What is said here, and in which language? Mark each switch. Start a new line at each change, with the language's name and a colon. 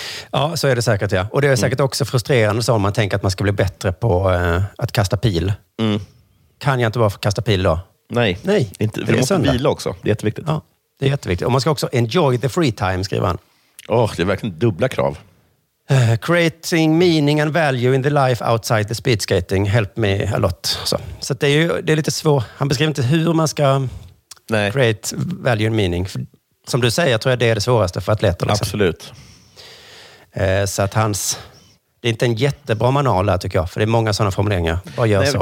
Swedish: Ja, så är det säkert, ja. Och det är säkert också frustrerande så om man tänker att man ska bli bättre på att kasta pil. Mm. Kan jag inte bara få kasta pil då? Nej. Nej. Inte. För det måste söndag. Vila också. Det är jätteviktigt. Ja, det är jätteviktigt. Och man ska också enjoy the free time, skriver han. Åh, det är verkligen dubbla krav.
English: Creating meaning and value in the life outside the speed skating. Help me a lot.
Swedish: Så det är ju det är lite svårt. Han beskriver inte hur man ska create value and meaning. För, som du säger, tror jag det är det svåraste för atleter. Liksom. Absolut. Så att hans... Det är inte en jättebra manual där, tycker jag. För det är många sådana formuleringar. Vad gör Nej, så?